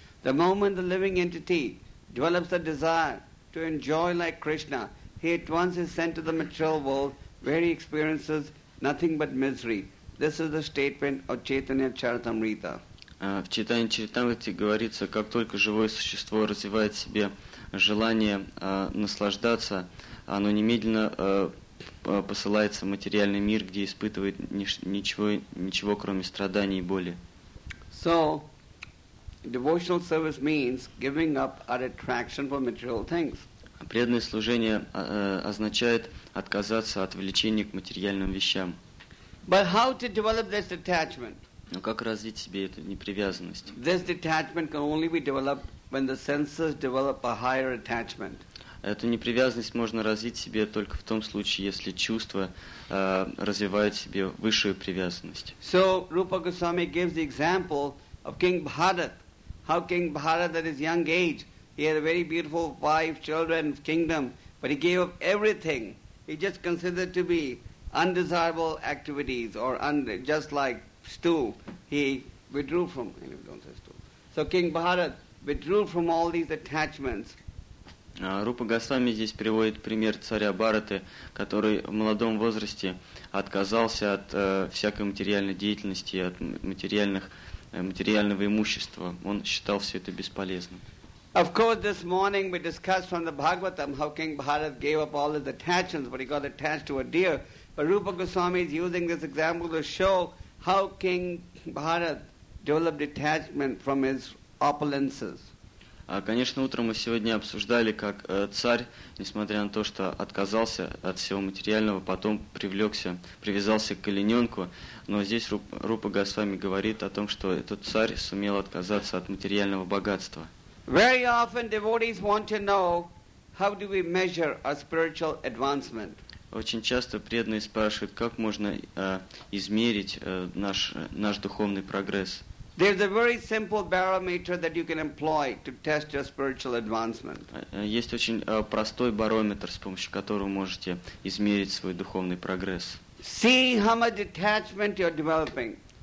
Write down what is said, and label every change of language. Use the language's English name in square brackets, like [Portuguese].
[English] The moment the living entity develops the desire to enjoy like Krishna, he at once is sent to the material world where he experiences nothing but misery. This is the statement of Chaitanya Charitamrita. [Russian] В Чайтанья Чаритамрите говорится, как только живое существо развивает в себе желание наслаждаться, оно немедленно посылается в материальный мир, где испытывает ничего, кроме страданий и боли. [English] So, devotional service means giving up our attraction for material things. [Russian] Преданное служение означает отказаться от влечения к материальным вещам. [English] But how to develop this attachment? [Russian] Но как развить себе эту непривязанность? [English] This detachment can only be developed when the senses develop a higher attachment. [Russian] Эту непривязанность можно развить себе только в том случае, если чувства развивают себе высшую привязанность. [English] So Rupa Goswami gives the example of King Bharat. How King Bharat at his young age, he had a very beautiful wife, children, kingdom, but he gave up everything. He just considered to be undesirable activities or just like stool, he withdrew from. Don't say stool. So King Bharat withdrew from all these attachments. [Russian] Rupa Goswami здесь приводит пример царя Бхараты, который в молодом возрасте отказался от всякой материальной деятельности, от материального имущества. Он считал все это бесполезным. [English] Of course, this morning we discussed from the Bhagavatam how King Bharat gave up all his attachments, but he got attached to a deer. But Rupa Goswami is using this example to show how King Bharat developed detachment from his opulences. [Russian] Конечно, утром мы сегодня обсуждали, как царь, несмотря на то, что отказался от всего материального, потом привязался к олененку, но здесь Рупа Госвами говорит о том, что этот царь сумел отказаться от материального богатства. [English] Very often devotees want to know, how do we measure our spiritual advancement? [Russian] Очень часто преданные спрашивают, как можно измерить наш духовный прогресс. [English] There's a very simple barometer that you can employ to test your spiritual advancement. [Russian] Есть очень простой барометр, с помощью которого можете измерить свой духовный прогресс. [English] See how much detachment you're developing.